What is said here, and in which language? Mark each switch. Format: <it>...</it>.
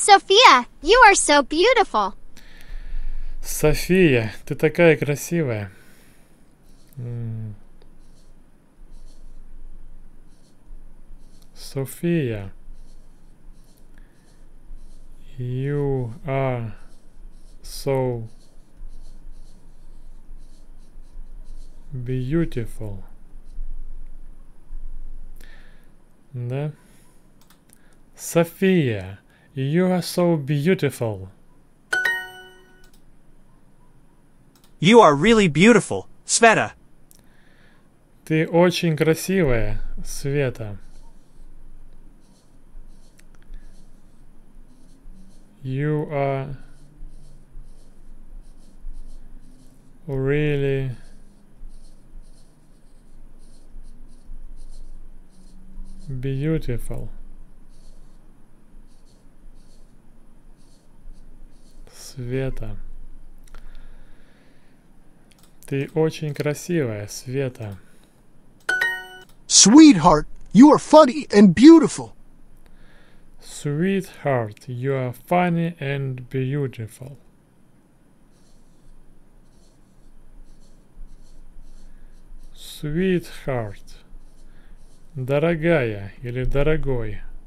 <en>София, you are so beautiful.</en> <ru>София, ты такая красивая. София.</ru> <en>You are so beautiful.</en> <ru>Да?</ru> <en>София, you are so beautiful. You are really beautiful, Sveta.</en> <ru>Ты очень красивая, Света.</ru> <en>You are really beautiful.</en> <ru>Света. Ты очень красивая, Света.</ru> <en>Sweetheart, you are funny and beautiful. Sweetheart, you are funny and beautiful. Sweetheart.</en> <ru>Дорогая или дорогой.</ru>